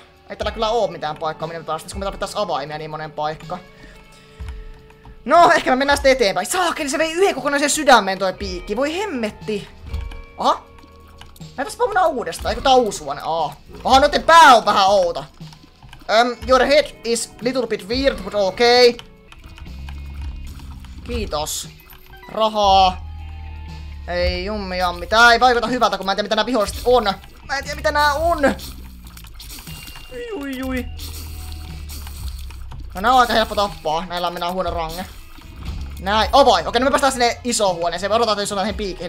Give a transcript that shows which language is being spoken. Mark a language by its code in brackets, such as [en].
[fi] Ei täällä kyllä oo mitään paikkaa, minne me päästäis, kun me tarvittais avaimia niin monen paikka. No, ehkä me mennään sitten eteenpäin. Saakeli, se vei yhden kokonaisen sydämeen toi piikki. Voi hemmetti! Aha! Mä en päästä uudestaan, eikö tää on uusi huone? Aha, noitten pää on vähän outo. [en] Your head is little bit weird, but okay. [fi] Kiitos. Rahaa. Ei jummi jammi, tää ei vaikuta hyvältä, kun mä en tiedä mitä nää viholliset on. Mä en tiedä mitä nää on! Ui. No ne on aika helppo tappaa, näillä on minä huono range. Näin, [en] oh boy, [fi] okei, niin me päästään sinne isoon huoneeseen, me odotetaan, että se on näihin piikkeihin.